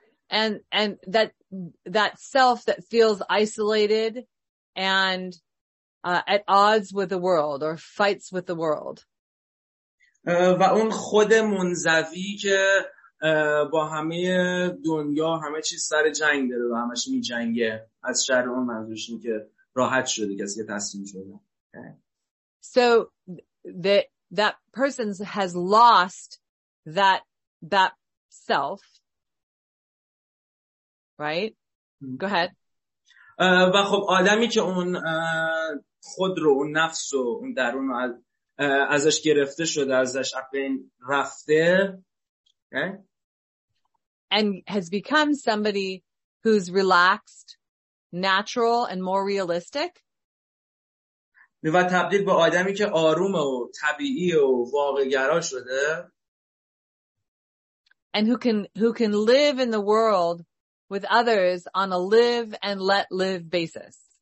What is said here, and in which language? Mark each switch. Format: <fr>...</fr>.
<en>And that self that feels isolated and at odds with the world or fights with the world.</en> <fa>و اون خود منزوی که با همه دنیا همه چیز سر جنگ داره و همش می جنگه، از شر اون منظورش این که راحت شده، کسی که تسلیم شده.</fa> <en>So that person has lost that self, right? Go ahead.</en> <fa>و خب آدمی که اون خود رو، اون نفس رو، اون درون رو ازش گرفته شده، ازش اپین رفته.</fa> <en>Okay. And has become somebody who's relaxed, natural, and more realistic.</en> <fa>و تبدیل به آدمی که آروم و طبیعی و واقع‌گرا شده.</fa> <en>And who can live in the world with others on a live and let live basis.</en>